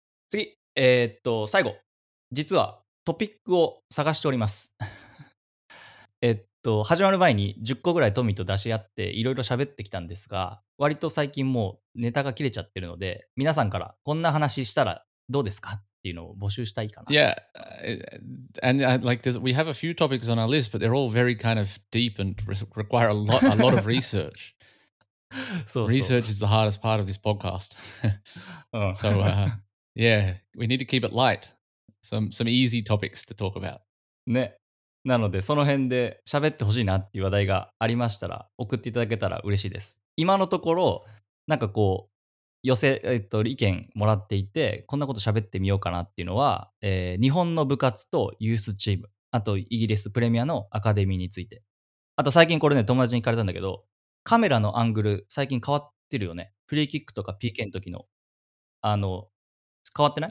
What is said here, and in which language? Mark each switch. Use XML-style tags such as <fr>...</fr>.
<ja>次、最後、実はトピックを探しております。始まる前に10個ぐらいトミーと出し合っていろいろ喋ってきたんですが、割と最近もうネタが切れちゃってるので、皆さんからこんな話したらどうですかっていうのを募集したいかな。</ja> <en>Yeah, and like this, we have a few topics on our list, but they're all very kind of deep and require a lot of research.</en> <ja>そうそう、</ja> <en>Research is the hardest part of this podcast. So yeah, we need to keep it light. Some easy topics to talk about.</en> <ja>ね、なのでその辺で喋ってほしいなっていう話題がありましたら送っていただけたら嬉しいです。今のところなんかこう意見もらっていて、こんなこと喋ってみようかなっていうのは、日本の部活とユースチーム、あとイギリスプレミアのアカデミーについて、あと最近これね友達に聞かれたんだけど、カメラのアングル最近変わってるよね、フリーキックとか PK の時の、あの変わってない？</ja>